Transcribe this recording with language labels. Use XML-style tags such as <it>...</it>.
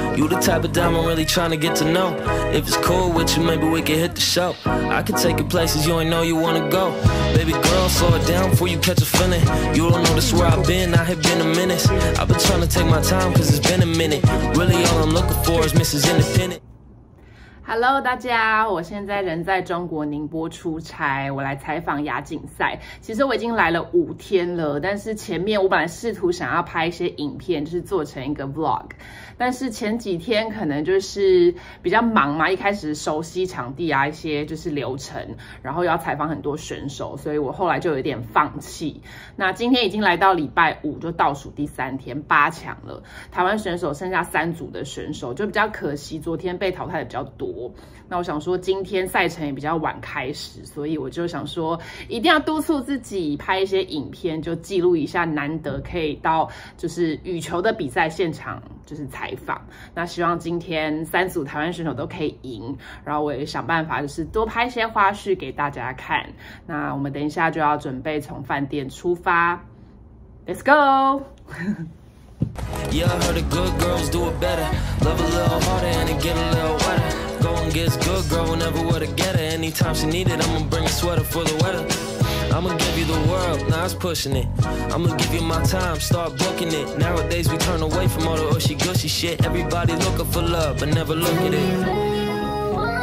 <en>You the type of diamond really trying to get to know. If it's cool with you, maybe we can hit the show. I can take you places you ain't know you wanna go. Baby girl, slow it down before you catch a feeling. You don't know this where I've been, I have been a menace. I've been trying to take my time cause it's been a minute. Really all I'm looking for is Mrs. Independent.</en> <zh>Hello， 大家，我现在人在中国宁波出差，我来采访亚锦赛。其实我已经来了5天了，但是前面我本来试图想要拍一些影片，就是做成一个 vlog， 但是前几天可能就是比较忙嘛，一开始熟悉场地啊，一些就是流程，然后要采访很多选手，所以我后来就有点放弃。那今天已经来到礼拜五，就倒数第3天，8强了。台湾选手剩下3组的选手，就比较可惜，昨天被淘汰的比较多。那我想说今天赛程也比较晚开始，所以我就想说一定要督促自己拍一些影片，就记录一下难得可以到就是羽球的比赛现场就是采访。那希望今天3组台湾选手都可以赢，然后我也想办法就是多拍一些花絮给大家看。那我们等一下就要准备从饭店出发，</zh> <en>Let's go。 Yeah, I heard the good girls do it better. Love a little harder and it get a little wetter. Go and get a good girl whenever we're together. Anytime she need it, I'ma bring a sweater for the weather. I'ma give you the world, nah, it's pushing it. I'ma give you my time, start booking it. Nowadays we turn away from all the ushy gushy shit. Everybody looking for love, but never look at it.</en>